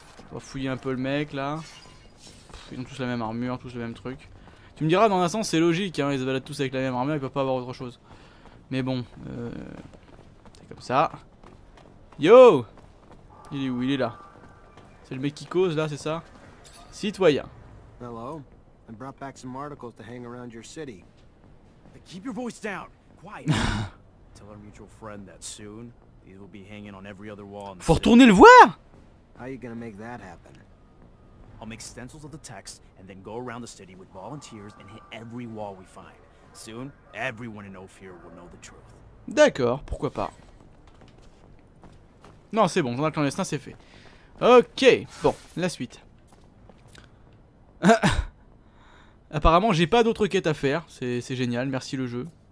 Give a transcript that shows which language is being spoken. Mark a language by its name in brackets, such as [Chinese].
[French] On va fouiller un peu le mec là. Pff, ils ont tous la même armure, tous le même truc. Tu me diras, dans un sens, c'est logique, hein, ils se baladent tous avec la même armure, ils peuvent pas avoir autre chose. Mais bon, c'est comme ça. Yo! Il est où? Il est là. C'est le mec qui cause là, c'est ça? Citoyen. [English] Hello. I brought back some articles to hang around your city. But keep your voice down. Quiet. Tell our mutual friend that soon these will be hanging on every other wall. In the [French] Faut retourner le voir. [English] How are you gonna make that happen? I'll make stencils of the text and then go around the city with volunteers and hit every wall we find. Soon, everyone in Ophir will know the truth. [French] D'accord, pourquoi pas? Non, c'est bon, j'en ai le clandestin, c'est fait. Ok, bon, la suite. Apparemment, j'ai pas d'autres quêtes à faire. C'est génial, merci le jeu.